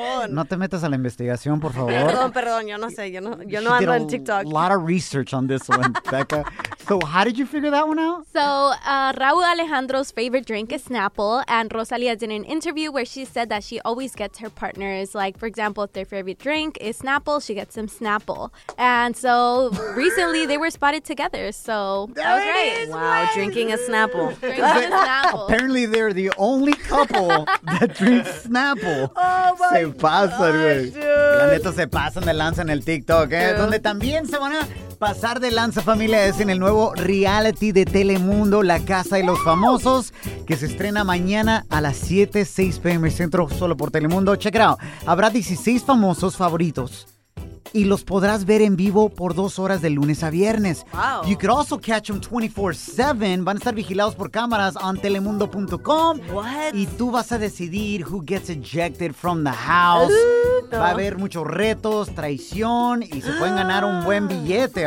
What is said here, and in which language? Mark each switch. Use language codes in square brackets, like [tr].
[es] No te metas a la investigación, por favor. Perdón, yo no sé, yo no ando en TikTok. [en] A lot of research on this one, Becca. So how did you figure that one out? So Raul Alejandro's favorite drink is Snapple, and Rosalia did an interview where she said that she always gets her partners, like, for example, if their favorite drink is Snapple, she gets them Snapple. And so recently they were spotted together, so that was right. Drinking a Snapple. Drinking a Snapple. Apparently they're the only couple that drinks Snapple. Oh, my [es] se pasan, güey. La neta, se pasan de lanza en el TikTok, ¿eh? [en] Dude. [es] Donde también se van a pasar de lanza, familia, es en el nuevo reality de Telemundo, La Casa de los Famosos, que se estrena mañana a las 7, 6 p.m. Centro, solo por Telemundo. [en] Check it out. [es] Habrá 16 famosos favoritos y los podrás ver en vivo por 2 horas de lunes a viernes. [en] Wow. You could also catch them 24/7. [es] Van a estar vigilados por cámaras [en] on telemundo.com. What? [es] Y tú vas a decidir [en] who gets ejected from the house. [es] Va a haber muchos retos, traición, y se pueden ganar un buen billete.